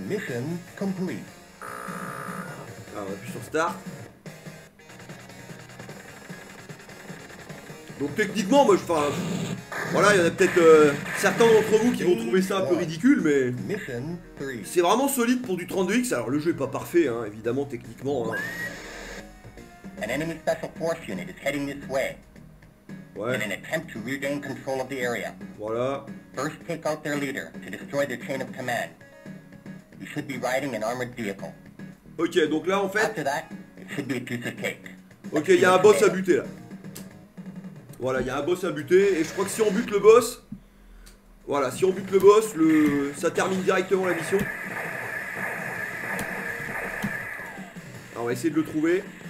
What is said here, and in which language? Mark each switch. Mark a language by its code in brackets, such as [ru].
[en] Mission complete. [fr] Alors, on appuie sur start. Donc, techniquement, moi, enfin, voilà, il y en a peut-être certains d'entre vous qui vont trouver ça un peu ridicule, mais c'est vraiment solide pour du 32X. Alors, le jeu est pas parfait, hein, évidemment, techniquement. Hein. [en] An enemy special force unit is heading this way. [fr] Ouais. [en] In an attempt to regain control of the area. [fr] Voilà. [en] First take out their leader to destroy their chain of command. You should be riding an armored vehicle. [fr] Ok, donc là en fait. [en] After that, it should be a piece of cake. [fr] Ok, il y a un boss à buter là. Voilà, il y a un boss à buter et je crois que si on bute le boss, voilà, si on bute le boss, ça termine directement la mission. Alors, on va essayer de le trouver.